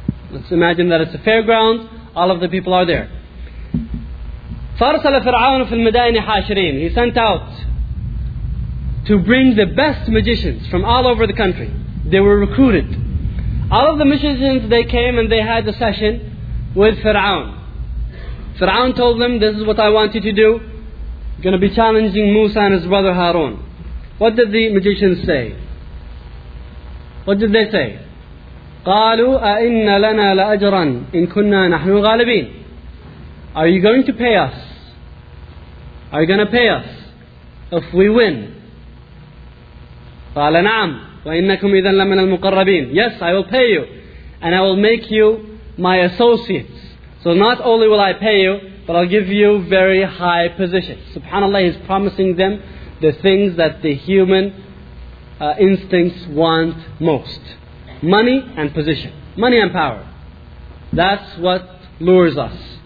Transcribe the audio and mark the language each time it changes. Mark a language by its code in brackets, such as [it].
[en] Let's imagine that it's a fairground, all of the people are there. [ar] فَأَرْسَلَ فِرْعَوْنُ فِي الْمَدَائِنِ حَاشِرِينَ [en] He sent out to bring the best magicians from all over the country. They were recruited. All of the magicians, they came and they had a session with Fir'aun. Fir'aun told them, this is what I want you to do. You're going to be challenging Musa and his brother Harun. What did the magicians say? What did they say? [ar] قَالُوا أَإِنَّ لَنَا لَأَجْرًا إِن كُنَّا نَحْنُ غَالِبِينَ [en] Are you going to pay us? Are you going to pay us if we win? [ar] قَالَ نَعَمْ وَإِنَّكُمْ إِذَا لَمِنَ الْمُقَرَّبِينَ [en] Yes, I will pay you. And I will make you my associates. So not only will I pay you, but I'll give you very high positions. SubhanAllah, he's promising them the things that the human instincts want most. Money and position. Money and power. That's what lures us.